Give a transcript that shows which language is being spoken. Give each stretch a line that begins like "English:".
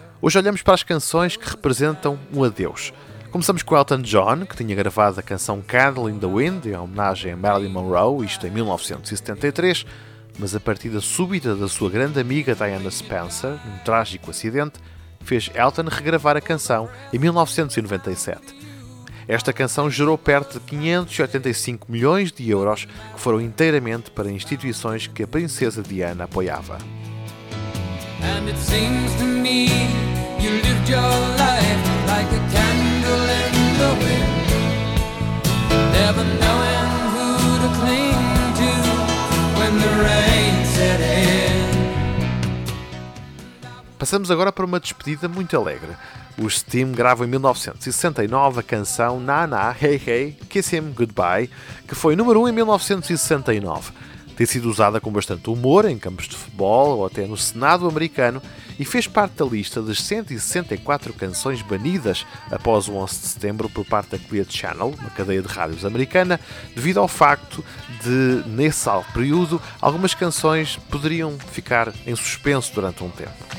Portuguese: Hoje olhamos para as canções que representam um adeus. Começamos com Elton John, que tinha gravado a canção Candle in the Wind, em homenagem a Marilyn Monroe, isto em 1973, mas a partida súbita da sua grande amiga Diana Spencer, num trágico acidente, fez Elton regravar a canção em 1997. Esta canção gerou perto de 585 milhões de euros que foram inteiramente para instituições que a princesa Diana apoiava.
English: And it seems to me you lived your life like a candle in the wind, never knowing who to cling to when the rain set in.
Portuguese: Passamos agora para uma despedida muito alegre. O Steam grava em 1969 a canção Na Na, Hey Hey, Kiss Him Goodbye, que foi número 1 em 1969. Tem sido usada com bastante humor em campos de futebol ou até no Senado americano e fez parte da lista das 164 canções banidas após o 11 de setembro por parte da Clear Channel, uma cadeia de rádios americana, devido ao facto de, nesse período, algumas canções poderiam ficar em suspenso durante um tempo.